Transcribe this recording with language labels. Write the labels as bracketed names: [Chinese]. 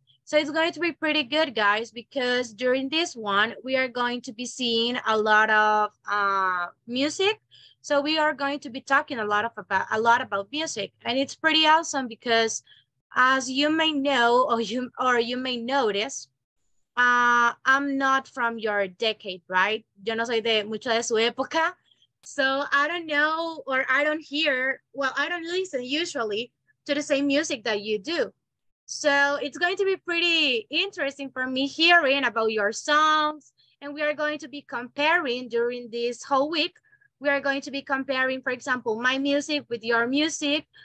[English] So it's going to be pretty good, guys, because during this one, we are going to be seeing a lot of music. So we are going to be talking a lot about music. And it's pretty awesome because, as you may know, or you may notice, I'm not from your decade, right? [Spanish] Yo no soy de mucho de su época. [English] So I don't know, or I don't hear, well, I don't listen usually to the same music that you do. So it's going to be pretty interesting for me hearing about your songs. And we are going to be comparing during this whole week. We are going to be comparing, for example, my music with your music.